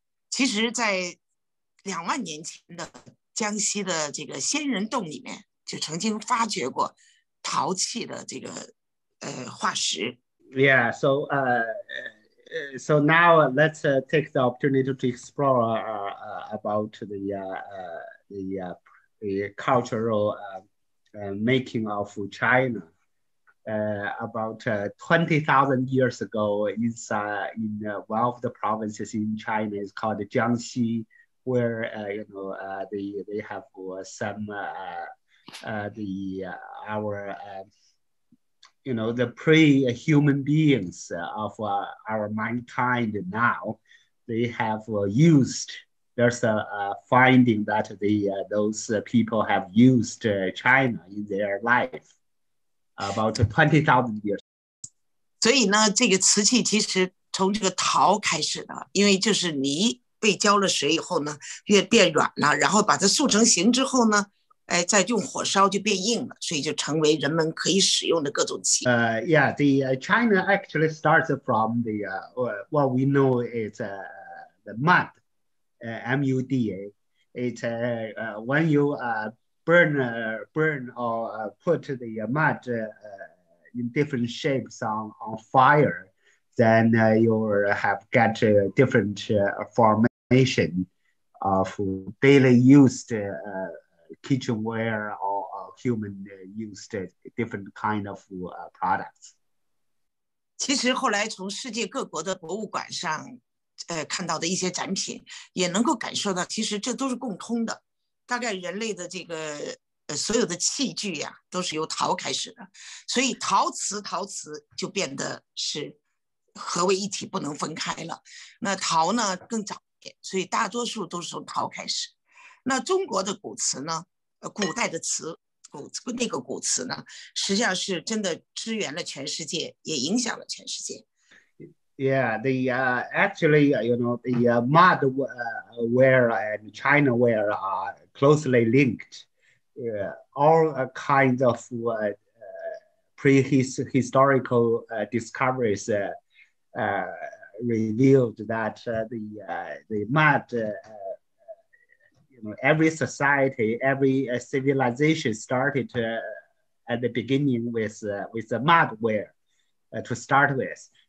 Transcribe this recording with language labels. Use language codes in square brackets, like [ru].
[zh] 其实，在2万年前的江西的这个仙人洞里面，就曾经发掘过陶器的这个化石。 [en] Yeah, so now let's take the opportunity to explore about the cultural making of China about 20,000 years ago in one of the provinces in China is called Jiangxi, where they have some the our the pre-human beings of our mankind now, they have used. There's a finding that those people have used China in their life about 20,000 years. [zh] 所以呢，这个瓷器其实从这个陶开始的，因为就是泥被浇了水以后呢，越变软了，然后把它塑成形之后呢，再用火烧就变硬了，所以就成为人们可以使用的各种器。 [en] Yeah, the China actually starts from the what we know is the mud, M-U-D-A. It's when you burn or put the mud in different shapes on fire, then you have got a different formation of daily used kitchenware or human used different kind of products. [zh] 其实后来从世界各国的博物馆上看到的一些展品也能够感受到，其实这都是共通的。大概人类的这个所有的器具呀、啊、都是由陶开始的，所以陶瓷就变得是合为一体，不能分开了。那陶呢更早一点，所以大多数都是从陶开始。那中国的古瓷呢，古代的瓷，那个古瓷呢，实际上是真的支援了全世界，也影响了全世界。 [en] Yeah, the actually, you know, the mud ware and China ware are closely linked. All kinds of prehistorical discoveries revealed that the mud, you know, every society, every civilization started at the beginning with the mud ware to start with.